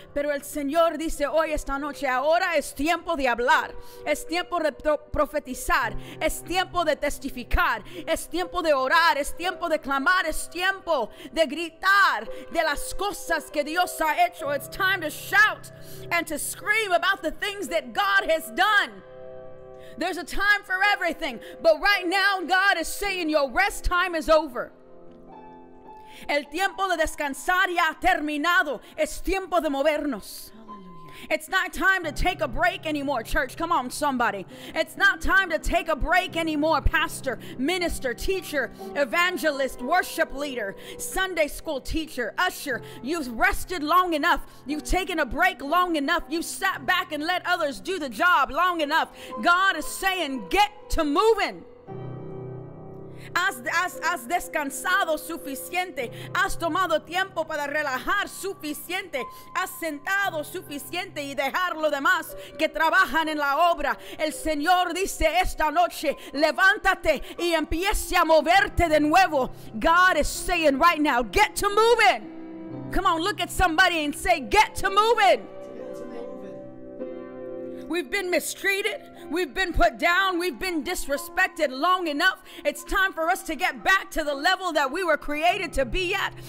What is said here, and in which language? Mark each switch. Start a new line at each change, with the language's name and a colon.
Spanish: Pero el Señor dice hoy, esta noche, ahora es tiempo de hablar. Es tiempo de profetizar. Es tiempo de testificar. Es tiempo de orar. Es tiempo de clamar. Es tiempo de gritar de las cosas que Dios ha hecho.
English: It's time to shout out and to scream about the things that God has done. There's a time for everything. But right now, God is saying your rest time is over.
Spanish: El tiempo de descansar ya ha terminado. Es tiempo de movernos.
English: It's not time to take a break anymore, church. Come on, somebody. It's not time to take a break anymore, pastor, minister, teacher, evangelist, worship leader, Sunday school teacher, usher. You've rested long enough. You've taken a break long enough. You've sat back and let others do the job long enough. God is saying, get to moving.
Spanish: Has descansado suficiente, has tomado tiempo para relajar suficiente, has sentado suficiente y dejar lo demás que trabajan en la obra. El Señor dice esta noche, levántate y empiece a moverte de nuevo.
English: God is saying right now, get to moving. Come on, look at somebody and say, get to moving. We've been mistreated, we've been put down, we've been disrespected long enough. It's time for us to get back to the level that we were created to be at.